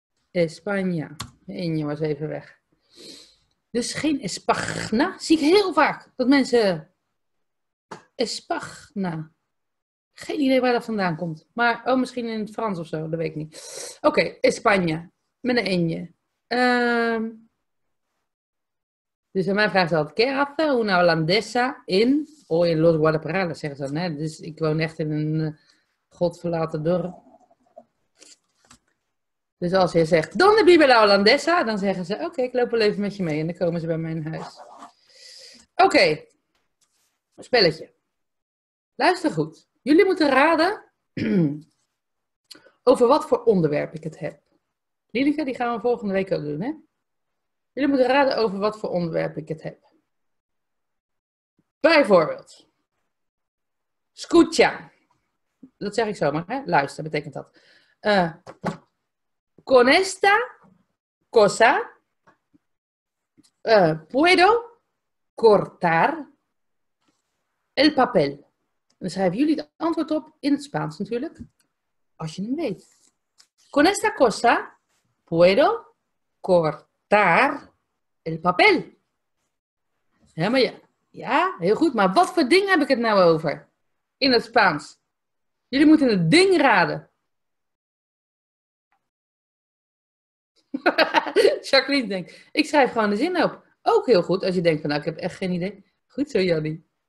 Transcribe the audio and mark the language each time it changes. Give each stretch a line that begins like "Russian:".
Dutch: España. En je was even weg. Dus geen espagna. Zie ik heel vaak dat mensen... Espagna. Geen idee waar dat vandaan komt. Maar, oh, misschien in het Frans of zo. Dat weet ik niet. Oké, España. Met een enje. Dus aan mij vraagt ze altijd...
Spanish: ¿Qué hace una holandesa in...
Dutch: O in Los Guadalajara, zeggen ze dan. Hè? Dus ik woon echt in een godverlaten dorp. Dus als je zegt,
Spanish: donde vive la holandesa,
Dutch: dan zeggen ze, oké, ik loop wel even met je mee en dan komen ze bij mijn huis. Oké, spelletje. Luister goed. Jullie moeten raden over wat voor onderwerp ik het heb. Lilica, die gaan we volgende week ook doen, hè? Jullie moeten raden over wat voor onderwerp ik het heb. Bijvoorbeeld. Scootja. Dat zeg ik zomaar, hè? Luister, betekent dat.
Spanish: Con esta cosa puedo cortar el papel.
Dutch: En dan schrijven jullie het antwoord op in het Spaans natuurlijk, als je hem weet.
Spanish: Con esta cosa puedo cortar el papel.
Dutch: Helemaal ja. Ja, heel goed. Maar wat voor ding heb ik het nou over in het Spaans? Jullie moeten het ding raden. Jacqueline denkt, ik schrijf gewoon de zin op. Ook heel goed als je denkt van, nou, ik heb echt geen idee. Goed zo, Jannie.